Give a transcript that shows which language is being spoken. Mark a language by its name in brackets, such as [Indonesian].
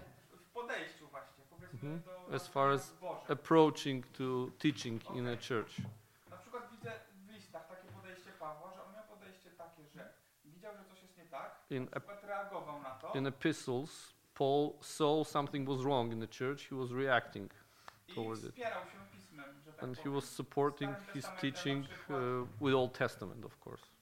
[Polish] W podejściu właśnie, powiedzmy, [English] as far as approaching to teaching in a church. [Polish] Na przykład widzę w listach takie podejście Pawła, że on miał podejście takie, że widział, że coś jest nie tak, reagował na to. [English] In epistles. Paul saw something was wrong in the church, he was reacting towards it. And he was supporting his teaching with Old Testament, of course.